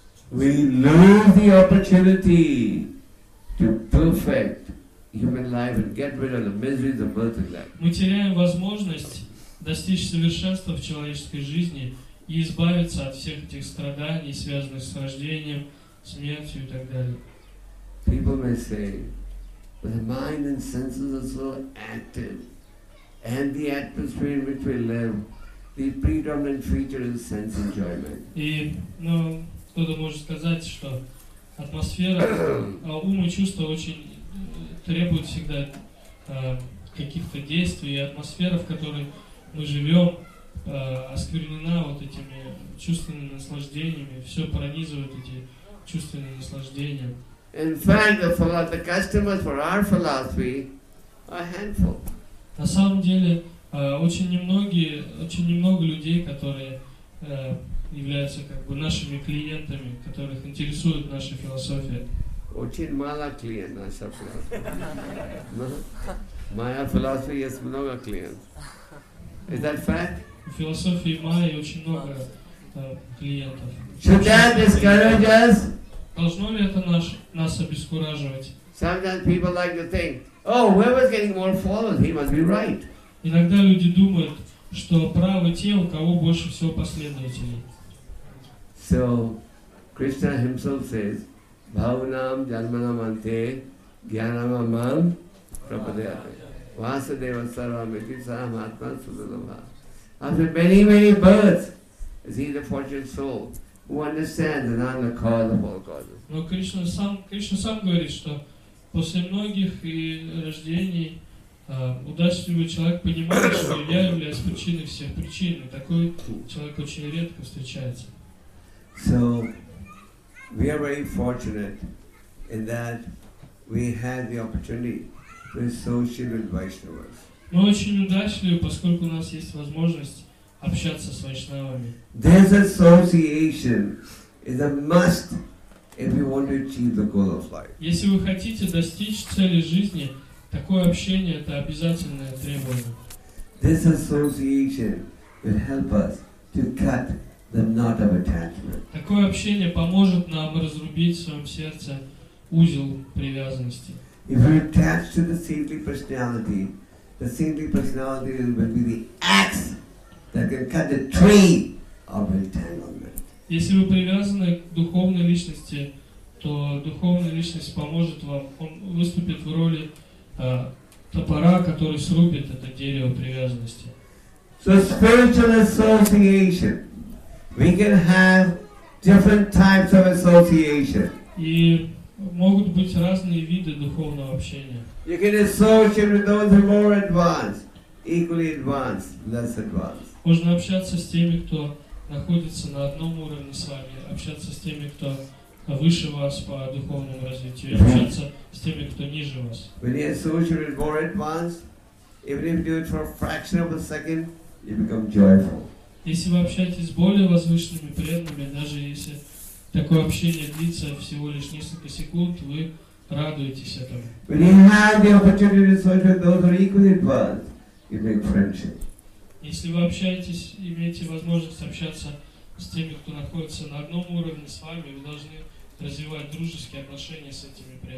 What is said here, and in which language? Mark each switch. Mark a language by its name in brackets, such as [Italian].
[English] We lose the opportunity to perfect human life and get rid of the miseries of birth and death. [Russian] Мы теряем возможность достичь совершенства в человеческой жизни и избавиться от всех этих страданий, связанных с рождением, смертью и так далее. [English] People may say, but the mind and senses are so active, and the atmosphere in which we live, the predominant feature is sense enjoyment. [Russian] Кто-то может сказать, что атмосфера, ум и чувства очень требуют всегда каких-то действий, и атмосфера, в которой мы живем, осквернена вот этими чувственными наслаждениями, все пронизывают эти чувственные наслаждения. [English] In fact, the customers for our philosophy are handful. [Russian] На самом деле, очень немного людей, которые являются как бы нашими клиентами, которых интересует наша философия. Очень мало клиентов наша философия. Моя философия есть много клиентов. [English] Is that fact? [Russian] В философии Майи очень много клиентов. [English] Should that discourage us? [Russian] Должно ли это нас обескураживать? [English] Sometimes people like to think, whoever's getting more followers, he must be right. [Russian] Иногда люди думают, что правы те, у кого больше всего последователей. [English] So, Krishna himself says, [Sanskrit] Bhavanam janmanam ante jnanam amam prapadayate Vasudeva saram iti saram atma sudhulabha. [English] After many, many births, is he the fortunate soul who understands that I am the cause of all causes. [Russian] Но Кришна сам говорит, что после многих рождений Удачливый человек понимает, что я являюсь причиной всех причин. Такой человек очень редко встречается. [English] So, we are very fortunate in that we had the opportunity to associate with Vaishnavas. [Russian] Мы очень удачливы, поскольку у нас есть возможность общаться с вайшнавами. [English] This association is a must if we want to achieve the goal of life. [Russian] Если вы хотите достичь цели жизни, такое общение это обязательное требование. [English] This association will help us to cut the knot of attachment. [Russian] Такое общение поможет нам разрубить в своем сердце узел привязанности. [English] If we attach to the saintly personality, the saintly personality will be the axe that can cut the tree of entanglement. [Russian] Если вы привязаны к духовной личности, то духовная личность поможет вам, он выступит в роли топора, который срубит это дерево привязанности. [English] So spiritual association. We can have different types of association. [Russian] И могут быть разные виды духовного общения. [English] You can associate with those who are more advanced, equally advanced, less advanced. [Russian] Можно общаться с теми, кто находится на одном уровне с вами, общаться с теми, кто выше вас по духовному развитию, общаться с теми, кто ниже вас. [English] When you associate with more advanced, even if you do it for a fraction of a second, you become joyful. [Russian] Если вы общаетесь с более возвышенными преданными, даже если такое общение длится всего лишь несколько секунд, вы радуетесь этому. [English] When you have the opportunity to associate with those who are equally advanced, you make friendship. [Russian] Если вы общаетесь, имеете возможность общаться с теми, кто находится на одном уровне с вами, вы должны развивать дружеские отношения с этими